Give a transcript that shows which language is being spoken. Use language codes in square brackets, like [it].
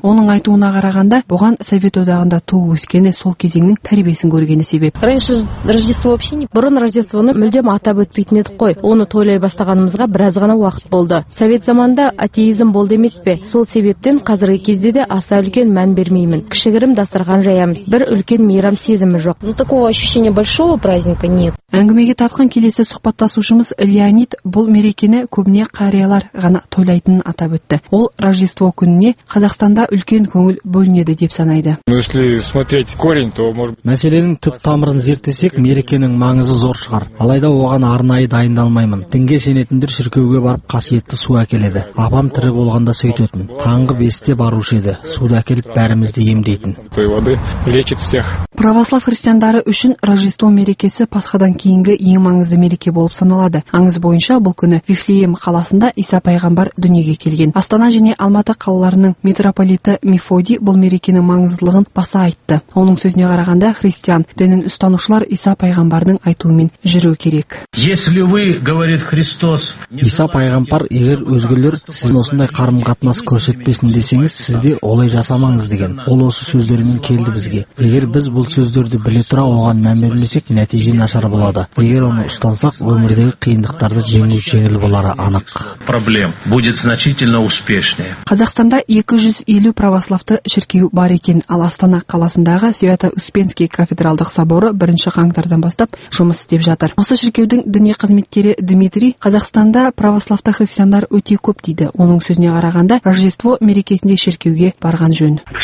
[kk] Оның айтуына қарағанда, бұған Совет одағында туып өскені сол кезеңнің тәрбиесін көргені себеп. Оны мүлдем атап өтпейтін едік қой. Оны тойлай бастағанымызға біраз ғана уақыт болды. Совет заманында атеизм болды емес пе? Сол себептен қазіргі кезде де аса үлкен мән бермеймін. Кішігірім дастархан жаямыз. Бір үлкен мейрам сезімі жоқ. [ru] Такого ощущения большого праздника нет. [kk] Әңгімеге тартқан келесі сұхбаттасушымыз Леонид бұл мерекені көбіне қариялар ғана тойлайтынын атап өтті. Ол Рождество күніне Қазақстанда үлкен көңіл бөлінеді деп санайды. [ru] Если смотреть корень, то может [kk] мәселенің түп тамырын зерттесек, мерекенің маңызы зор. Шығар. Алайда оған арнайы дайындалмаймын. Дінге сенетіндер шіркеуге барып қасиетті су әкеледі. Апам тірі болғанда сөйтетін. Таңғы 5-те барушы еді. Суды әкеліп бәрімізді емдейтін. [ru] Той воды лечит всех. [kk] Православ христиандары үшін Рождество мерекесі Пасхадан кейінгі ең маңызды мереке болып саналады. Аңыз бойынша бұл күні Вифлеем қаласында Иса пайғамбар дүниеге келген. Астана және Алматы қалаларының митрополиті Мефодий бұл мерекенің маңыздылығын баса айтты. Оның сөзіне қарағанда, христиан дінін ұстанушылар Иса пайғамбардың айтуымен жүру керек. [ru] Если вы, говорит Христос, [kk] Иса пайғамбар, егер өзгелер сіздің осындай қарым-қатынас көрсетпесін десеңіз, сізде олай жасамаңыз деген. Ол осы сөздерімен келді бізге. Егер біз бұл сөздерді біле тұра оған мән бермесек, нәтиже нашар болады. Егер оны ұстансақ, өмірдегі қиындықтарды жеңу жеңіл болары анық. [ru] Проблем будет значительно успешнее. [kk] Қазақстанда 250 православты шіркеу бар екен. Ал Астана қаласындағы Свято-Успенский кафедралдық соборы 1-ші қаңтардан бастап жұмыс істеп жатыр. Осы шіркеудің діни қызметкері Дмитрий Қазақстанда православты христиандар өте көп дейді. Оның сөзіне қарағанда, Рождество мерекесінде шіркеуге барған жөн.